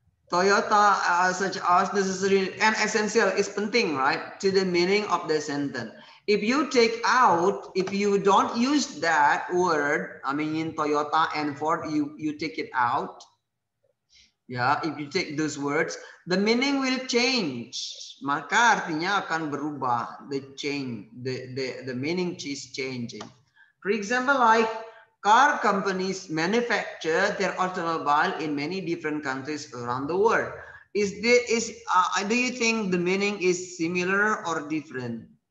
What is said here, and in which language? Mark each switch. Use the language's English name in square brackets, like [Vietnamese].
[English] Toyota such as necessary and essential is penting, right? To the meaning of the sentence. If you don't use that word, I mean in Toyota and Ford, you take it out. Yeah, if you take those words, the meaning will change. [Indonesian] Maka artinya akan berubah. [English] The meaning is changing. For example, like car companies manufacture their automobile in many different countries around the world. Do you think the meaning is similar or different?